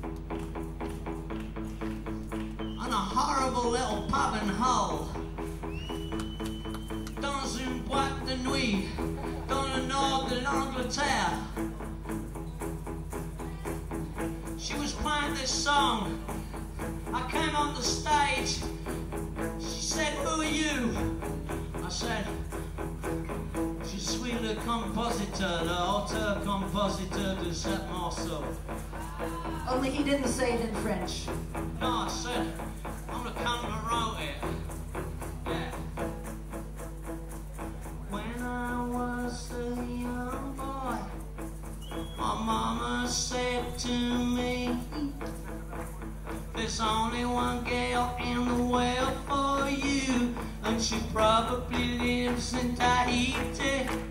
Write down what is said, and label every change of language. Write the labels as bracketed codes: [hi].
[en] On a horrible little pub in Hull. [fr] Dans une boîte de nuit, dans le nord de l'Angleterre. [en] She was playing this song. I came on the stage. She said, who are you? I said, [fr] je suis le compositeur, le auteur compositeur de cette morceau. [en] Only he didn't say it in French. No, I said, I'm the kind who wrote it. Yeah. When I was a young boy, my mama said to me, there's only one girl in the world for you, and she probably lives in Tahiti.